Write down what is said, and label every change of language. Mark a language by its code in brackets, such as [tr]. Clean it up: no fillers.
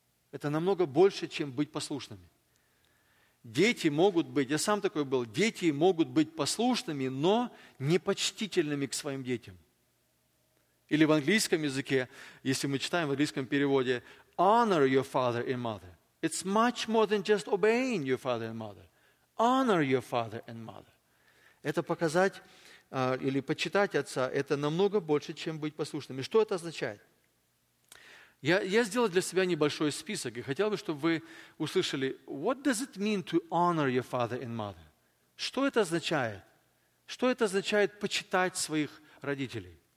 [ru] Это намного больше, чем быть послушными. Дети могут быть, я сам такой был, дети могут быть послушными, но непочтительными к своим детям. Или в английском языке, если мы читаем в английском переводе, [en] honor your father and mother. It's much more than just obeying your father and mother. Honor your father and mother. [ru] Это показать или почитать отца, это намного больше, чем быть послушным. И что это означает? Я сделал для себя небольшой список, и хотел бы, чтобы вы услышали, [en] what does it mean to honor your father and mother? [ru] Что это означает? Что это означает почитать своих родителей?